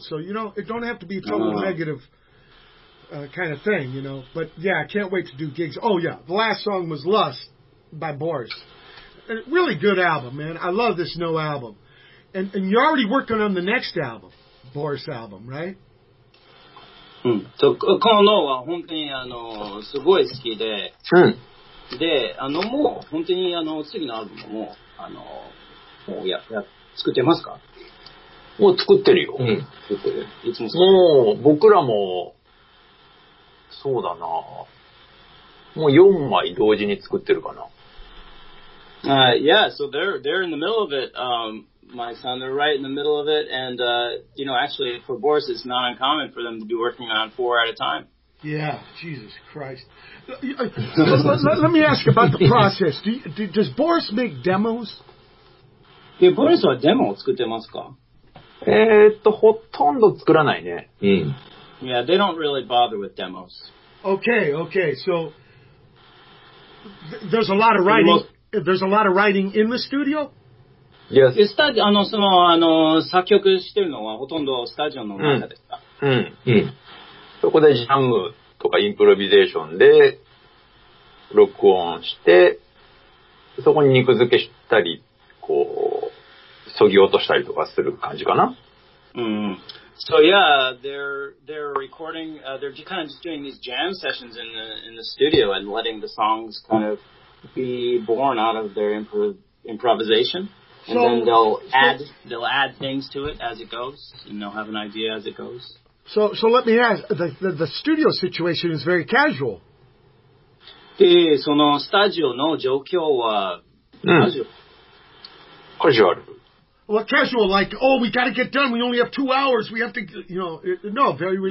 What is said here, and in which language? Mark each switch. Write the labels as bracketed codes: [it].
[en] So, you know, it don't have to be a total negative kind of thing, you know. But, yeah, I can't wait to do gigs. Oh, yeah. The last song was Lust by Boris. a really good album, man. I love this No album. And you're already working on the next album, Boris album, right? [ja] うん。このはもう本当に好きで。で、もう次のアルバムも、いや、作ってますか?もう作ってるよ。うん。いつも。もう僕らも、そうだな。もう4枚同時に作ってるかな。 [en] Yeah, so they're in the middle of it. My son, they're right in the middle of it, and you know, actually, for Boris, it's not uncommon for them to be working on four at a time. Yeah, Jesus Christ. let me ask about the process. Does Boris make demos? [ja] Yeah, Boris は demo を作ってますか? ほとんど作らないね。 [en] Yeah, they don't really bother with demos. Okay, so there's a lot of writing. There's a lot of writing in the studio? Yes. [ja] スタジオ、その、作曲してるのはほとんどスタジオの中ですか? うん。うん。そこでジャムとかインプロビゼーションで録音して、そこに肉付けしたり、こう、そぎ落としたりとかする感じかな? うん。 [en] So yeah, they're recording, they're kind of just doing these jam sessions in the studio and letting the songs kind of be born out of their improvisation. And so, then they'll add things to it as it goes, and they'll have an idea as it goes. So let me ask, the studio situation is very casual. [ja] で、そのスタジオの状況は、 [en] casual. Well, casual, like, oh, we got to get done, we only have 2 hours, we have to, you know, no, very relaxed.